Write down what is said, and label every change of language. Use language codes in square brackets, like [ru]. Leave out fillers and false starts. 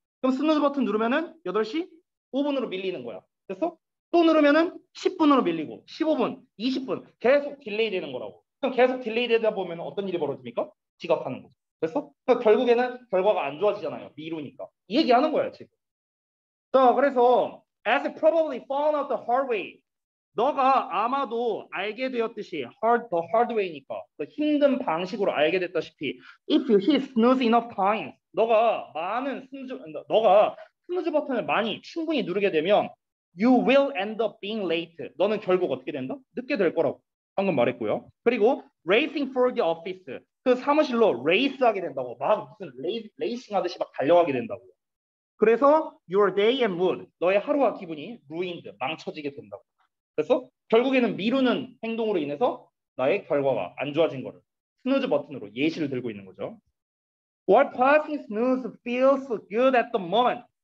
[ko] 그럼 스누즈 버튼 누르면은 8시 5분으로 밀리는 거야. 됐어? 또 누르면은 10분으로 밀리고 15분, 20분 계속 딜레이 되는 거라고. 그럼 계속 딜레이 되다 보면 어떤 일이 벌어집니까? 지각하는 거죠. 됐어? 그러니까 결국에는 결과가 안 좋아지잖아요. 미루니까. 이 얘기하는 거야 지금. 자, 그래서 [en] as it probably found out the hard way. [ko] 너가 아마도 알게 되었듯이 hard, the hard way니까 그 힘든 방식으로 알게 됐다시피 [en] if you hit snooze enough times. [ko] 너가 많은 스누즈 버튼을 많이 충분히 누르게 되면 [en] You will end up being late. [ko] 너는 결국 어떻게 된다? 늦게 될 거라고 방금 말했고요. 그리고 [en] racing for the office. [ko] 그 사무실로 race 하게 된다고. 막 무슨 레이싱 하듯이 막 달려가게 된다고. 그래서 [en] your day and mood. [ko] 너의 하루와 기분이 ruined. 망쳐지게 된다고. 그래서 결국에는 미루는 행동으로 인해서 나의 결과가 안 좋아진 거를 snooze 버튼으로 예시를 들고 있는 거죠. [en] While passing snooze feels good at the moment.